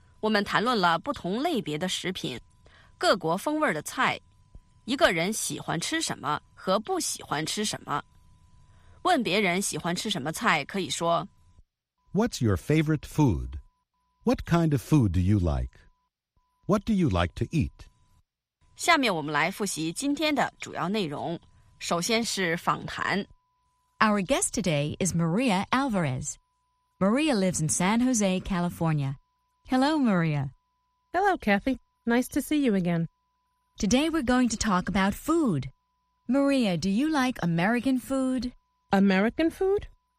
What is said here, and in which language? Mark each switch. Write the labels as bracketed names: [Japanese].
[Chinese] Today我们这一课涉及的是大家都喜欢的一个话题，喜欢吃什么风味的菜。我们谈论了不同类别的食品。各国风味的菜，一个人喜欢吃什么和不喜欢吃什么？问别人喜欢吃什么菜，可以说 [English] What's your favorite food? What kind of food do you like? What do you like to eat? [Chinese] 下面我们来复习今天的主要内容。首先是访谈。Our [English] guest today is Maria Alvarez. Maria lives in San Jose, California. Hello, Maria. Hello, Kathy. Nice to see you again. Today we're going to talk about food. Maria, do you like American food? American food?